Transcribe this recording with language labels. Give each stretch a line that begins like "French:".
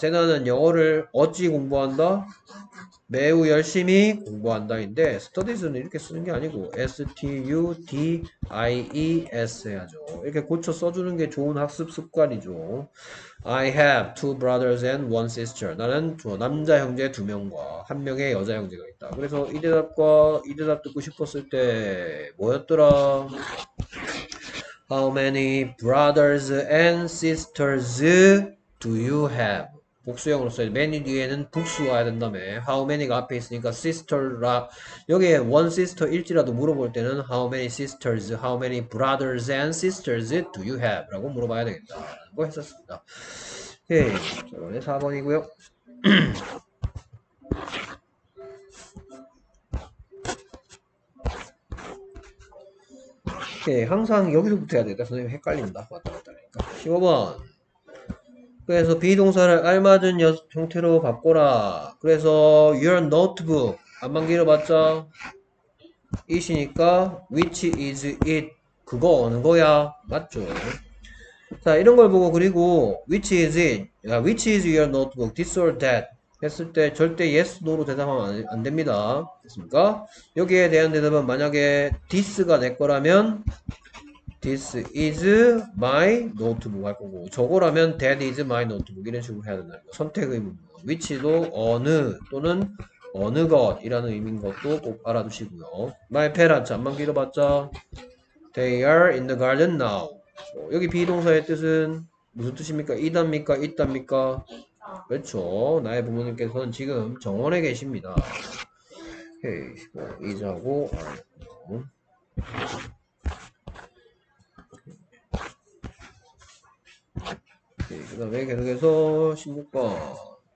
Korean: 세나는 영어를 어찌 공부한다? 매우 열심히 공부한다인데 studies는 이렇게 쓰는 게 아니고 studies 해야죠. 이렇게 고쳐 써주는 게 좋은 학습 습관이죠.
English: I have two brothers and one sister.
Korean: 나는 두 남자 형제 두 명과 한 명의 여자 형제가 있다. 그래서 이 대답 듣고 싶었을 때 뭐였더라?
English: How many brothers and sisters do you have?
Korean: 복수형으로 써야 돼. many 뒤에는 복수 와야 된다며.
English: How many
Korean: 가 앞에 있으니까 sister라. 여기에
English: one sister
Korean: 일지라도 물어볼 때는
English: How many sisters? How many brothers and sisters do you have?
Korean: 라고 물어봐야 되겠다. 라고 했었습니다. 오케이. 이번에 4번이고요. 오케이. 항상 여기서부터 해야 되겠다. 선생님 헷갈린다. 왔다 갔다 하니까. 15번. 그래서 비동사를 알맞은 형태로 바꿔라. 그래서
English: your notebook
Korean: 안만 길어봤자 it이니까
English: which is it
Korean: 그거 어느 거야 맞죠? 자 이런 걸 보고 그리고
English: which is it, which is your notebook, this or that
Korean: 했을 때 절대 yes, no로 대답하면 안 됩니다. 됐습니까? 여기에 대한 대답은 만약에 this가 내 거라면
English: This is my notebook
Korean: 할 거고, 저거라면
English: that is my notebook
Korean: 이런 식으로 해야 된다는 거. 선택의 문구. which도 어느 또는 어느 것이라는 의미인 것도 꼭 알아두시고요.
English: My parents
Korean: 안만 길어봤자
English: they are in the garden now.
Korean: 여기 비동사의 뜻은 무슨 뜻입니까? 이답니까? 있답니까? 그렇죠. 나의 부모님께서는 지금 정원에 계십니다. 오케이. 이자고 그 다음에 계속해서 16번.